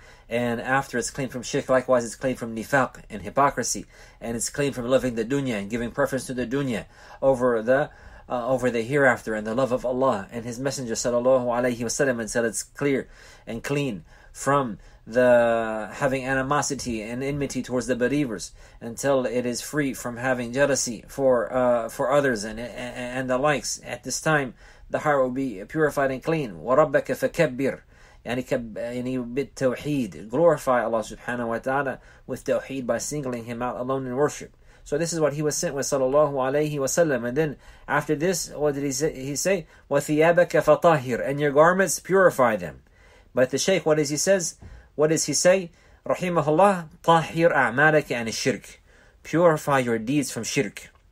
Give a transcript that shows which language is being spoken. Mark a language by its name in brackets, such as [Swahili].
[English] And after it's clean from shirk, likewise, it's clean from nifaq and hypocrisy, and it's clean from loving the dunya and giving preference to the dunya over the hereafter and the love of Allah and His Messenger sallallahu alayhi wa sallam, until it's clear and clean from the having animosity and enmity towards the believers, until it is free from having jealousy for others and the likes. At this time, the heart will be purified and clean. [Arabic] وَرَبَّكَ فَكَبِّرْ يعني بالتوحيد. [English] Glorify Allah subhanahu wa ta'ala with tawheed by singling Him out alone in worship. So this is what he was sent with, sallallahu alayhi wa sallam. And then after this, what did he say? [Arabic] وَثِيَابَكَ فَطَاهِرْ, [English] and your garments, purify them. But the shaykh, what does he say? What does he say? [Arabic] رَحِيمَهُ اللَّهُ طَاهِرْ أَعْمَالَكَ عَنِ الشِّرْكِ, [English] purify your deeds from shirk.